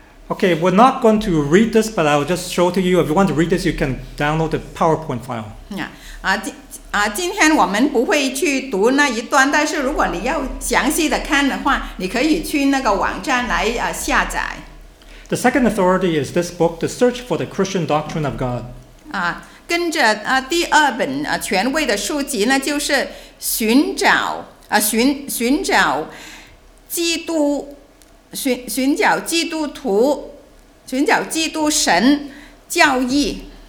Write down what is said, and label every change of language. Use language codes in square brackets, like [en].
[en] Okay, we're not going to read this, but I'll just show to you. If you want to read this, you can download the PowerPoint file. Yeah. [zh] 今天我们不会去读那一段，但是如果你要详细的看的话，你可以去那个网站来下载。 [en] The second authority is this book, The Search for the Christian Doctrine of God. [zh] 跟着第二本权威的书籍呢，就是寻找基督神教义。